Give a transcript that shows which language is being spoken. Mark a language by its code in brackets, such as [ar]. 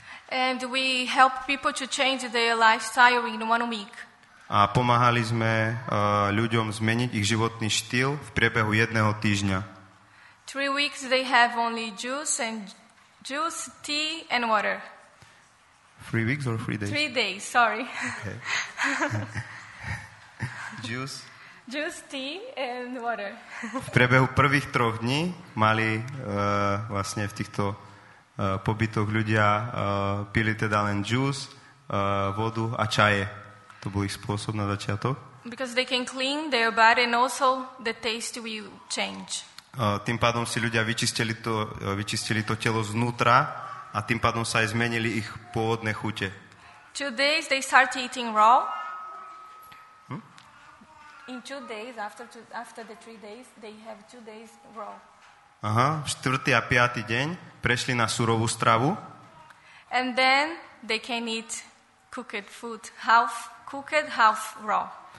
[en] And we help people to change their lifestyle in one week. [sk] A pomáhali sme ľuďom zmeniť ich životný štýl v priebehu jedného týždňa. [en] 3 weeks they have only juice, tea and water. 3 weeks or 3 days? 3 days, sorry. Okay. Juice, tea and water. [sk] V priebehu prvých 3 dní mali vlastne v týchto pobytoch ľudia pili teda len juice, vodu a čaje. To bol ich spôsob na začiatok. [en] Because they can clean their body and also the taste will change. [sk] Tým pádom si ľudia vyčistili to telo znútra a tým pádom sa aj zmenili ich pôvodné chute. [en] 2 days they start eating raw. In 2 days, after the 3 days, they have 2 days raw. [sk] Aha, 4. a 5. deň prešli na surovú stravu. [en] And then they can eat cooked food, half cooked, half raw.